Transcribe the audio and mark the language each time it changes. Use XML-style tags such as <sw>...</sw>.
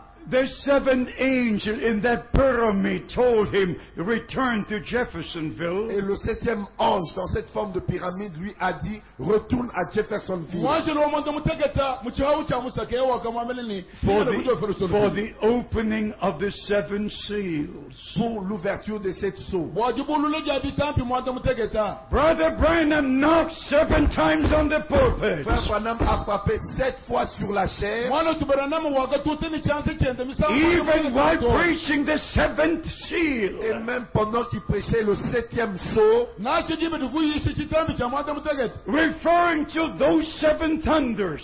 <en>The seventh angel in that pyramid told him, "Return to Jeffersonville."</en> <fr>Et le septième ange dans cette forme de pyramide lui a dit, "Retourne à Jeffersonville."</fr> <en>For the opening of the seven seals.</en> <fr>Pour l'ouverture des sept sceaux.</fr> <en>Brother Branham knocked seven times on the pulpit.</en> <fr>Frère Branham a frappé sept fois sur la chair.</fr> <en>Even while preaching the seventh seal.</en> <fr>Et même pendant qu'il prêchait le septième sceau.</fr> <en>Referring to those seven thunders.</en>